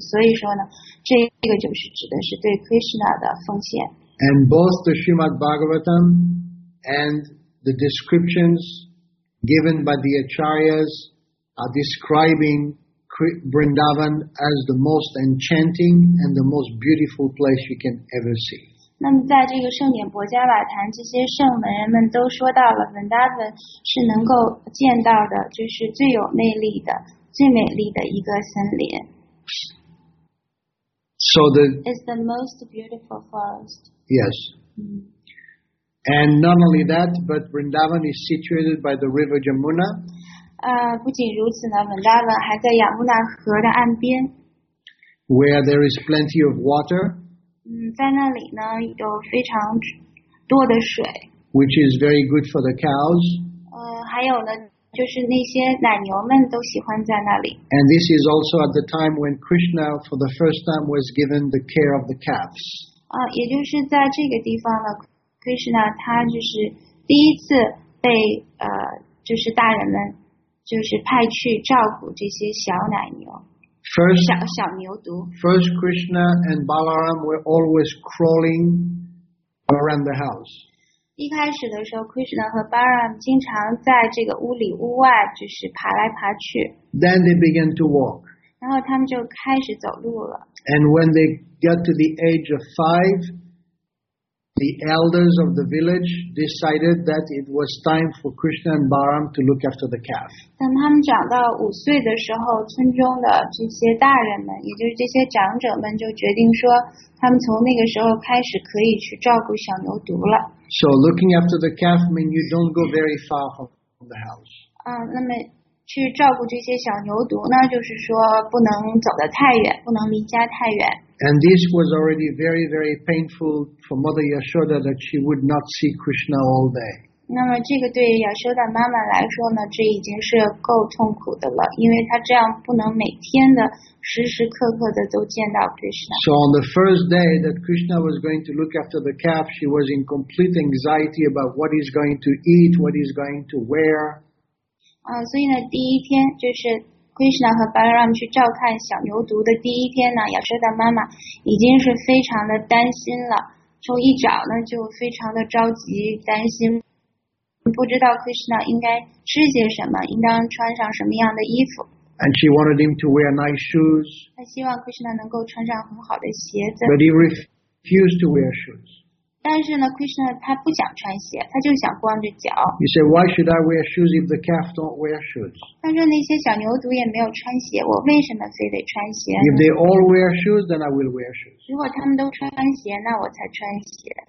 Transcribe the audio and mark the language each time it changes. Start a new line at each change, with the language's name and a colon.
Chinese: 所以说呢，这个就是指的是对 Krishna 的奉献。
English: And both the Srimad Bhagavatam and the descriptions given by the Acharyas are describing Vrindavan as the most enchanting and the most beautiful place you can ever see.
Chinese: 那么在这个圣典博迦瓦坛，这些圣门人们都说到了 Vrindavan 是能够见到的，就是最有魅力的、最美丽的一个森林。
English: So the is the most beautiful forest. Yes. And not only that, but Vrindavan is situated by the river Yamuna.
Chinese: 不仅如此呢，文达文还在亚穆纳河的岸边。
English: Where there is plenty of water.
Chinese: 在那里呢有非常多的水。
English: Which is very good for the cows.
Chinese: 还有呢，就是那些奶牛们都喜欢在那里。
English: And this is also at the time when Krishna, for the first time, was given the care of the calves.
Chinese: 也就是在这个地方呢。Krishna 他就是第一次被就是大人们就是派去照顾这些小奶牛
English: first,
Chinese: 小牛犊
English: First Krishna and Balaram were always crawling around the house
Chinese: 一开始的时候 Krishna 和 Balaram 经常在这个屋里屋外就是爬来爬去
English: Then they began to walk
Chinese: 然后他们就开始走路了
English: And when they got to the age of 5The elders of the village decided that it was time for Krishna and Balaram to look after the calf.
Chinese: 当他们长到五岁的时候，村中的这些大人们，也就是这些长者们，就决定说，他们从那个时候开始可以去照顾小牛犊了。
English: So looking after the calf means you don't go very far from the house.
Chinese: 那么去照顾这些小牛犊呢，就是说不能走得太远，不能离家太远。
English: And this was already very, very painful for Mother Yashoda that she would not see Krishna all day.
Chinese: 那么这个对亚修达妈妈来说呢，这已经是够痛苦的了，因为她这样不能每天的时时刻刻的都见到 Krishna.
English: So on the first day that Krishna was going to look after the calf, she was in complete anxiety about what he's going to eat, what he's going to wear.
Chinese: 所以呢，第一天就是。Krishna 和 Balaram 去照看小牛犊的第一天呢，亚舍达妈妈已经是非常的担心了。从一早呢就非常的着急，担心不知道 Krishna 应该吃些什么，应当穿上什么样的衣服。
English: And she wanted him to wear nice shoes.
Chinese: 她希望 Krishna 能够穿上很好的鞋子。
English: But he refused to wear shoes.
Chinese: 但是呢 ，Krishna 他不想穿鞋，他就想光着脚。
English: He said, "Why should I wear shoes if the calf don't wear shoes?"
Chinese: 他说那些小牛犊也没有穿鞋，我为什么非得穿鞋
English: ？If they all wear shoes, then I will wear shoes.
Chinese: 如果他们都穿鞋，那我才穿鞋。